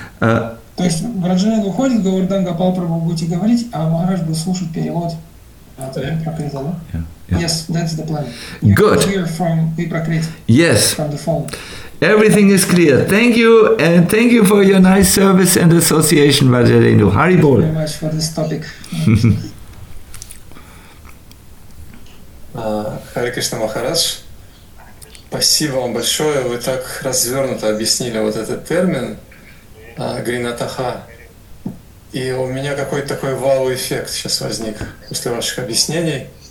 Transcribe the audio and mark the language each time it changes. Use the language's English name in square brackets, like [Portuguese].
[Russian] То есть Раджарену уходит, Говардхан Гопал Прабху будете говорить, а Махарадж будет слушать перевод Випракрита, да? [English] Yes, that's the plan. Good. You're clear from Випракрит. Yes. From the phone. Everything is clear. Thank you, and thank you for your nice service and association, Vajrayendu. Hari Bol. Thank you very much for this topic. [Russian] Hare Krishna Maharaj, спасибо вам большое. Вы так развернуто объяснили вот этот термин гринатаха. И у меня какой-то такой вау-эффект сейчас возник после ваших объяснений.